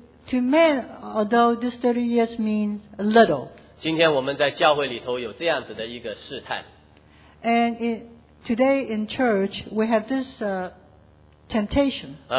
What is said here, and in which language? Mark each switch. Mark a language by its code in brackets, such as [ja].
[en] To man, although this 30 years means a little. [zh] 今天我们在教会里头有这样子的一个试探。 [en] And today in church, we have this temptation.